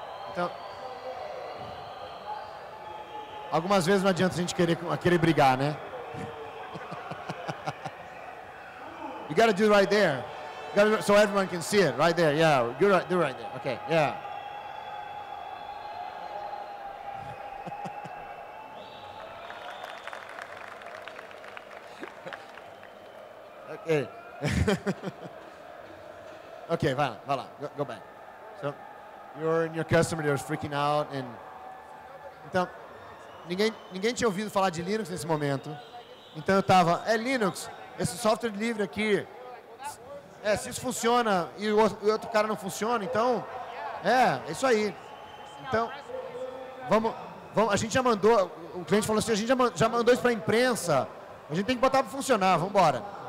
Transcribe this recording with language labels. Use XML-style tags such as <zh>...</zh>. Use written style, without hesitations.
<pt>Então, algumas vezes não adianta a gente querer brigar, né?</pt> <en>You gotta do right there. So everyone can see it, right there, yeah. Do right there, okay, yeah. Okay. Okay,</en> <pt>vai lá,</pt> <en>go back. So, you're in your customer, they're freaking out, and...</en> <pt>Então, ninguém tinha ouvido falar de Linux nesse momento. Então eu tava, Linux, esse software livre aqui, se isso funciona e o outro cara não funciona, então, é isso aí. Então, a gente já mandou, o cliente falou assim, a gente já mandou isso para a imprensa, a gente tem que botar para funcionar, vamos embora.</pt>